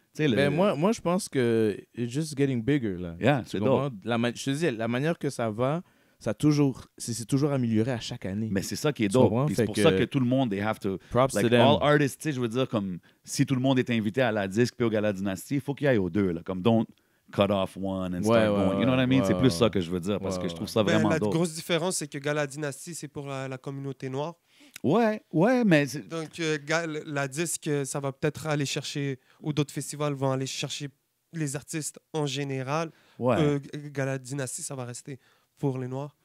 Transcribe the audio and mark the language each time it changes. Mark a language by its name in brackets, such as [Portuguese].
[French] Mais moi, je pense que [English] it's just getting bigger, [French] là. Yeah, c'est dope. Je te dis, la manière que ça va, c'est toujours amélioré à chaque année. Mais c'est ça qui est dope. C'est pour ça que tout le monde, [English] they have to... Props like, to them. Like, all artists, [French] tu sais, je veux dire, comme, si tout le monde est invité à la disque puis au Gala Dynastie, il faut qu'il y aille aux deux, là. Comme, [English] don't cut off one and start going. You know what I mean? [French] C'est plus ça que je veux dire, parce que je trouve ça vraiment dope. La grosse différence, c'est que Gala Dynastie, c'est pour la communauté noire. Ouais, mais... C'est... Donc, la disque, ça va peut-être aller chercher, ou d'autres festivals vont aller chercher les artistes en général. Ouais. Gala Dynastie, ça va rester pour les Noirs.